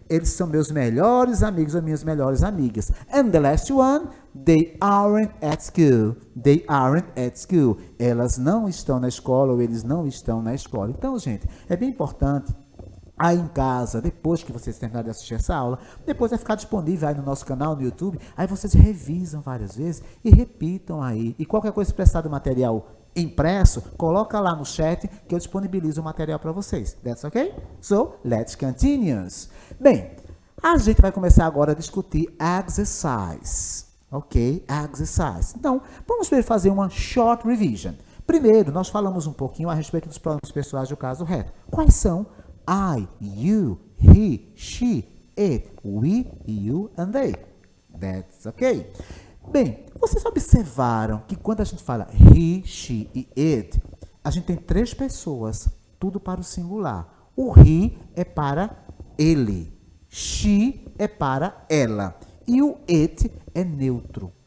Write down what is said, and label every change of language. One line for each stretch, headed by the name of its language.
Portuguese: Eles são meus melhores amigos ou minhas melhores amigas.
English: And the last one, they aren't at school.
Portuguese: Elas não estão na escola ou eles não estão na escola. Então, gente, é bem importante aí em casa, depois que vocês terminarem de assistir essa aula, depois vai ficar disponível aí no nosso canal no YouTube, aí vocês revisam várias vezes e repitam aí. E qualquer coisa prestado material impresso, coloca lá no chat que eu disponibilizo o material para vocês.
English: That's okay? So, let's continue.
Portuguese: Bem, a gente vai começar agora a discutir exercise. Ok? Exercise. Então, vamos fazer uma
English: short revision.
Portuguese: Primeiro, nós falamos um pouquinho a respeito dos pronomes pessoais do caso reto. Quais são?
English: I, you, he, she, it, we, you, and they. That's okay?
Portuguese: Bem, vocês observaram que quando a gente fala he, she e it, a gente tem três pessoas, tudo para o singular. O he é para ele, she é para ela e o it é neutro.